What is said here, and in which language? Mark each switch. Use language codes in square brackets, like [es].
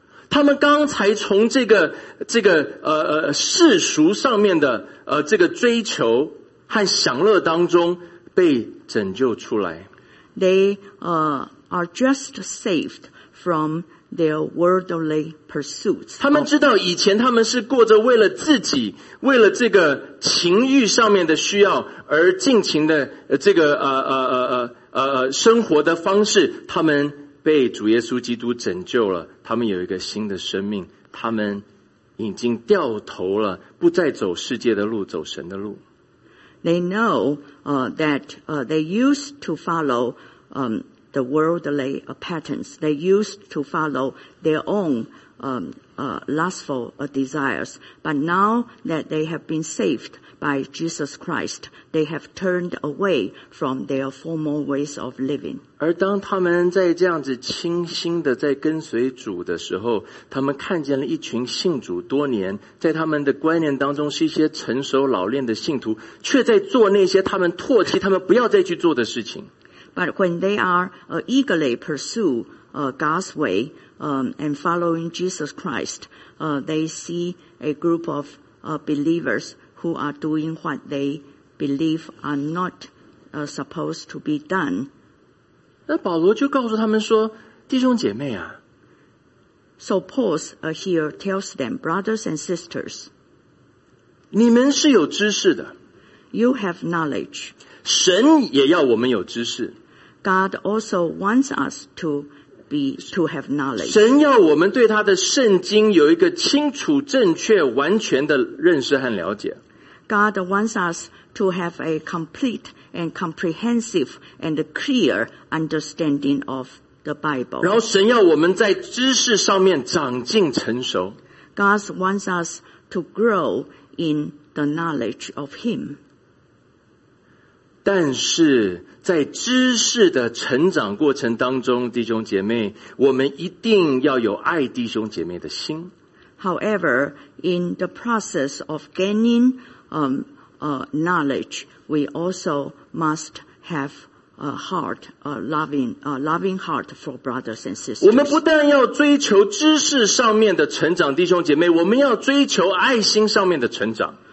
[zh] 他们刚才从这个世俗上面的这个追求和享乐当中被拯救出来。 [en] They, are just saved from their worldly pursuits. [zh] 他们知道以前他们是过着为了自己，为了这个情欲上面的需要而尽情的这个生活的方式，他们被主耶稣基督拯救了，他们有一个新的生命，他们已经掉头了，不再走世界的路，走神的路。 [en] They know, that, they used to follow, the worldly patterns. They used to follow their own, lustful desires. But now that they have been saved by Jesus Christ, they have turned away from their former ways of living. [zh] 而当他们在这样子清新的在跟随主的时候，他们看见了一群信主多年，在他们的观念当中是一些成熟老练的信徒，却在做那些他们唾弃他们不要再去做的事情。 [en] But when they are eagerly pursue God's way and following Jesus Christ, they see a group of believers who are doing what they believe are not supposed to be done. [zh] 那保罗就告诉他们说，弟兄姐妹啊。 [en] So Paul here tells them, brothers and sisters, [zh] 你们是有知识的。 [en] You have knowledge. [zh] 神也要我们有知识。 [en] God also wants us to have knowledge. [zh] 神要我们对他的圣经有一个清楚、正确、完全的认识和了解。 [en] God wants us to have a complete and comprehensive and clear understanding of the Bible. [zh] 然后神要我们在知识上面长进成熟。 [en] God wants us to grow in the knowledge of Him. [zh] 但是在知识的成长过程当中，弟兄姐妹，我们一定要有爱弟兄姐妹的心。 [en] However, in the process of gaining knowledge, we also must have a loving heart for brothers and sisters. [zh] 我们不但要追求知识上面的成长，弟兄姐妹，我们要追求爱心上面的成长。